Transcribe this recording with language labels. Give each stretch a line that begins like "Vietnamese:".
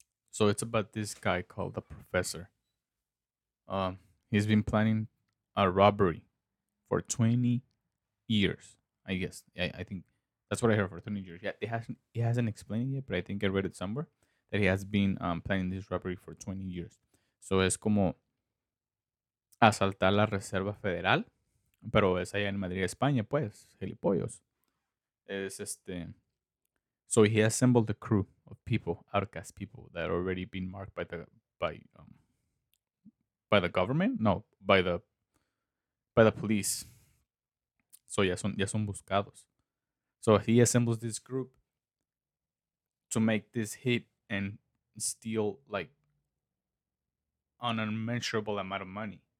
English: So it's about this guy called the professor. He's been planning a robbery for 20 years, I guess. I think that's what I heard, for 20 years. Yeah, he hasn't explained it yet, but I think I read it somewhere that he has been planning this robbery for 20 years.
Spanish: So es como asaltar la Reserva Federal, pero es allá en Madrid, España, pues, gilipollos. Es este.
English: So he assembled a crew of people, outcast people, that have already been marked by the police. So
Spanish: ya son buscados.
English: So he assembles this group to make this hit and steal like an unmeasurable amount of money.